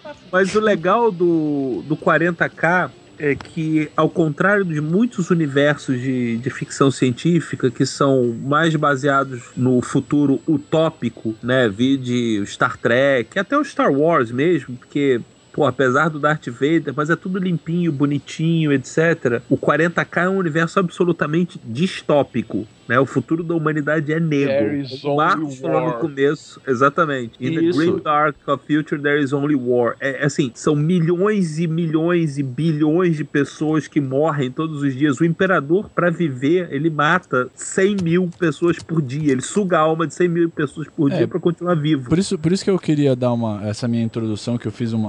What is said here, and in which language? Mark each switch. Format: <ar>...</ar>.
<pt>Mas o legal do 40K é que, ao contrário de muitos universos de ficção científica que são mais baseados no futuro utópico, né, vide o Star Trek, até o Star Wars mesmo, porque, pô, apesar do Darth Vader, mas é tudo limpinho, bonitinho, etc., o 40K é um universo absolutamente distópico. Né, o futuro da humanidade é negro. Marcos falou no começo. Exatamente.</pt> <en>In the green dark of future, there is only war.</en> <pt>É assim, são milhões e milhões e bilhões de pessoas que morrem todos os dias. O imperador, pra viver, ele mata 100 mil pessoas por dia. Ele suga a alma de 100 mil pessoas por dia pra continuar vivo. Por isso que eu queria dar essa minha introdução, que eu fiz uma...</pt>